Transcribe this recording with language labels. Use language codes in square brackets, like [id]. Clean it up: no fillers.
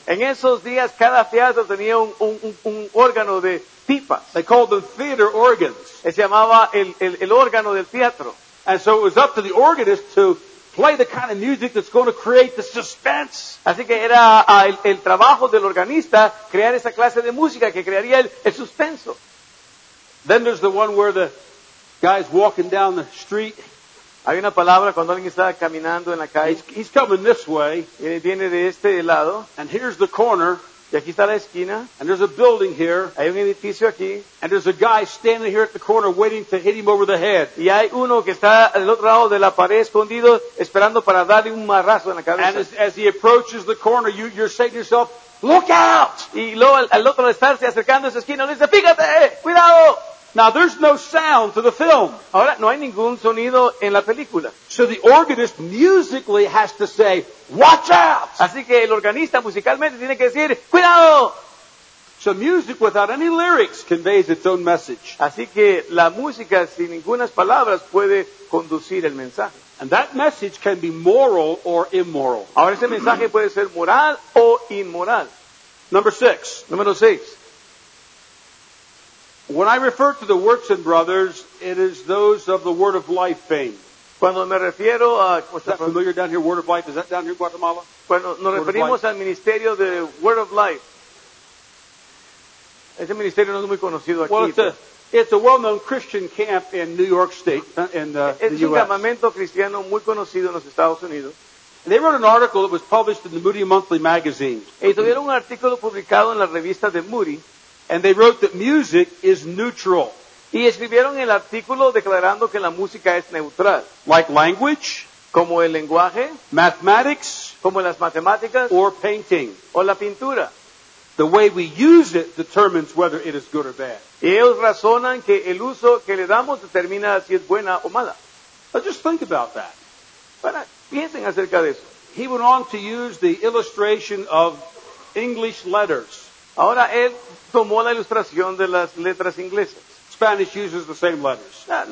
[es] En esos días cada teatro tenía un órgano de pipas. [en] They called them theater organs. [es] Se llamaba el órgano del teatro. [en] And so it was up to the organist to play the kind of music that's going to create the suspense. [es] Así que era el trabajo del organista crear esa clase de música que crearía el suspenso. [en] Then there's the one where the guy's walking down the street. [es] Hay una palabra cuando alguien está caminando en la calle. [en] He's coming this way. [es] Y viene de este lado. [en] And here's the corner. [es] Y aquí está la esquina. [en] And there's a building here. [es] Hay un edificio aquí. [en] And there's a guy standing here at the corner waiting to hit him over the head. [es] Y hay uno que está al otro lado de la pared escondido esperando para darle un marrazo en la cabeza. [en] And as he approaches the corner, you're saying to yourself, look out! [es] Y luego al otro estarse acercando a esa esquina, le dice, fíjate, cuidado! [en] Now there's no sound to the film. [es] Ahora no hay ningún sonido en la película. [en] So the organist musically has to say, "Watch out!" [es] Así que el organista musicalmente tiene que decir, "Cuidado!" [en] So music without any lyrics conveys its own message. [es] Así que la música sin ninguna palabras puede conducir el mensaje. [en] And that message can be moral or immoral. [es] Ahora ese mensaje puede ser moral o inmoral. Número 6. [en] When I refer to the Wurtzen brothers, it is those of the Word of Life fame. [es] Cuando me refiero a... [en] Is that familiar down here, Word of Life? Is that down here in Guatemala? [es] Bueno, nos referimos al ministerio de Word of Life. Ese ministerio no es muy conocido aquí. [en] Well, it's a well-known Christian camp in New York State, in the U.S. [es] Es un campamento cristiano muy conocido en los Estados Unidos. [en] And they wrote an article that was published in the Moody Monthly Magazine. [es] Y tuvieron un artículo publicado en la revista de Moody. [en] And they wrote that music is neutral. [es] Y escribieron el artículo declarando que la música es neutral. [en] Like language. [es] Como el lenguaje. [en] Mathematics. [es] Como las matemáticas. [en] Or painting. [es] O la pintura. [en] The way we use it determines whether it is good or bad. [es] Y ellos razonan que el uso que le damos determina si es buena o mala. [en] But just think about that. [es] Bueno, piensen acerca de eso. [en] He went on to use the illustration of English letters. [es] Ahora él tomó la ilustración de las letras inglesas. [en] Spanish uses the same letters.